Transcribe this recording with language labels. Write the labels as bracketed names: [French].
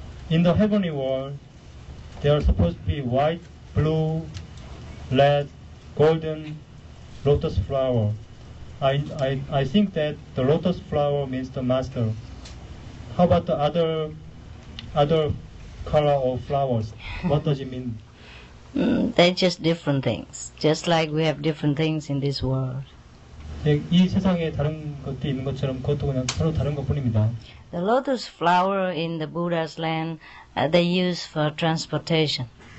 [English] In the heavenly world, they are supposed to be white, blue, red, golden lotus flower. I think that the lotus flower means the master. How about the other color of flowers? What does it mean? They're just different things. Just like we have different things in this world. [Korean] 이 세상에 다른 것도 있는 것처럼 그것도 그냥 서로 다른 것뿐입니다. [English] The lotus flower in the Buddha's land, they use for transportation.